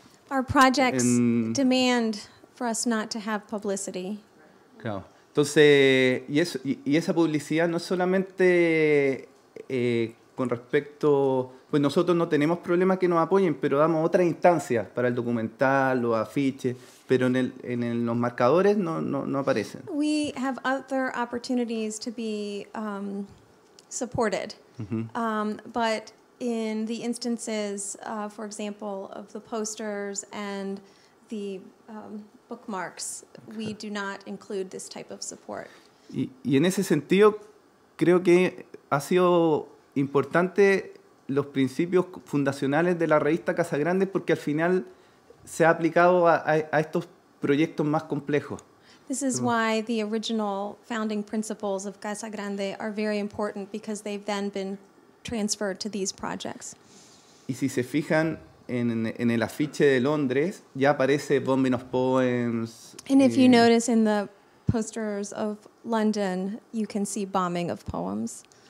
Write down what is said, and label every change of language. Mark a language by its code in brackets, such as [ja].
[en] Our projects demand for us not to have publicity. [es] Claro. Entonces, y esa publicidad no es solamente con respecto, pues nosotros no tenemos problemas que nos apoyen, pero damos otra instancia para el documental, los afiches, pero en los marcadores no aparecen. [en] We have other opportunities to be supported. Mm-hmm. But in the instances, for example, of the posters and the bookmarks, we do not include this type of support. [es] Y en ese sentido, creo que ha sido importante los principios fundacionales de la revista Casa Grande porque al final se ha aplicado a estos proyectos más complejos. [en] This is why the original founding principles of Casa Grande are very important because they've then been transferred to these projects. [es] Y si se fijan en el afiche de Londres, ya aparece Bombing of Poems. [en] And if you notice in the posters of London, you can see Bombing of Poems.